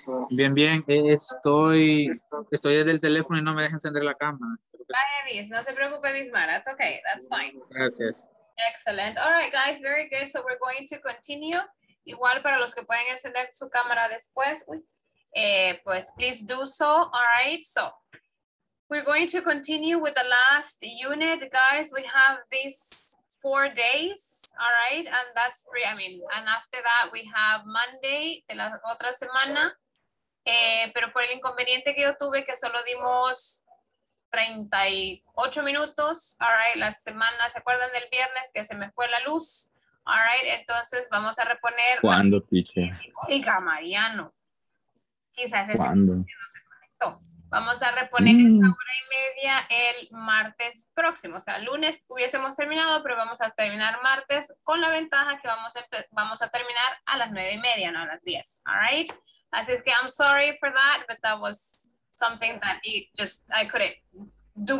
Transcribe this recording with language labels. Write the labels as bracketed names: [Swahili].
[Spanish] Bien, bien, estoy desde el teléfono y no me deja encender la cámara. [English] Bye, Abis. [Spanish] No se preocupe, [English] Bismar. That's okay. That's fine. [Spanish] Gracias. [English] Excellent. All right, guys. Very good. So we're going to continue. [Spanish] Igual para los que pueden encender su cámara después, pues [English] please do so. All right. So we're going to continue with the last unit, guys. We have this 4 days, all right, and that's free. I mean, and after that we have Monday [Spanish] de la otra semana, pero por el inconveniente que yo tuve que solo dimos 38 minutos, all right, la semana, ¿se acuerdan del viernes que se me fue la luz? All right, entonces vamos a reponer. ¿Cuándo, piche? Oiga, Mariano, quizás es cuando no se conectó. Vamos a reponer esta hora y media el martes próximo. O sea, lunes hubiésemos terminado, pero vamos a terminar martes con la ventaja que vamos a terminar a las 9:30, no a las 10. [English] All right? [Spanish] Así es que [English] I'm sorry for that, but that was something that I couldn't do.